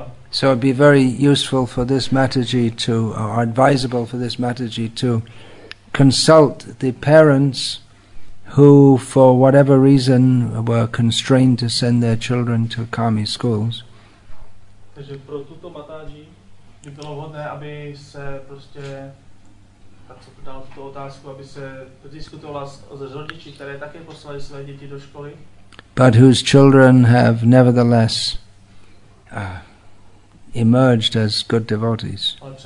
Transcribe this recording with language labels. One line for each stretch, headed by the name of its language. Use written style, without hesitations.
English: So it'd be very useful for this Mataji to, or advisable for this Mataji to consult the parents who, for whatever reason, were constrained to send their children to Kami schools.
Czech: Takže pro tuto Mataji by bylo vhodné, aby se prostě dal tuto otázku, aby se diskutovala s rodiči, které také poslali své děti do školy.
English: But whose children have nevertheless emerged as good devotees.